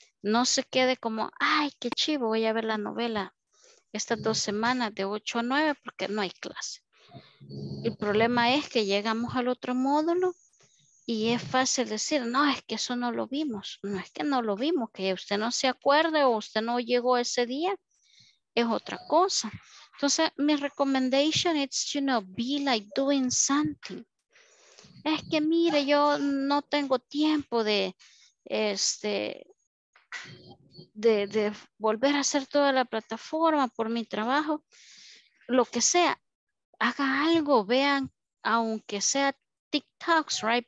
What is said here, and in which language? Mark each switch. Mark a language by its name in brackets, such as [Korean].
[Spanish] No se quede como, ay, qué chivo, voy a ver la novela estas 2 semanas de 8 a 9 porque no hay clase. El problema es que llegamos al otro módulo y es fácil decir, no, es que eso no lo vimos. No es que no lo vimos, que usted no se acuerde o usted no llegó ese día, es otra cosa. Entonces, mi [English] recommendation is, you know, be like doing something. [Spanish] Es que mire, yo no tengo tiempo de, de volver a hacer toda la plataforma por mi trabajo, lo que sea. Haga algo, vean, aunque sea TikToks, right?